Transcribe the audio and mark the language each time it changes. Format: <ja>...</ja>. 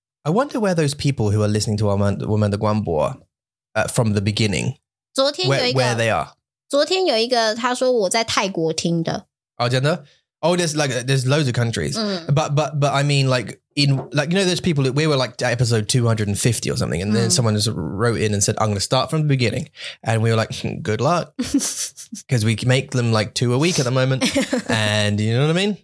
<en>I wonder where those people who are listening to our</en> <zh>我们的广播</zh> <en>from the beginning.</en> <zh>昨天有一个,</zh> <en>where they are.</en> <zh>昨天有一个他说我在泰国听的.</zh> <en>Oh,</en> <zh>真的?</zh> <en>Oh, there's loads of countries. But I mean, like, in like, you know, there's people that we were like at episode 250 or something, and then someone just wrote in and said, I'm going to start from the beginning. And we were like, good luck. Because we make them like 2 a week at the moment. And you know what I mean?</en>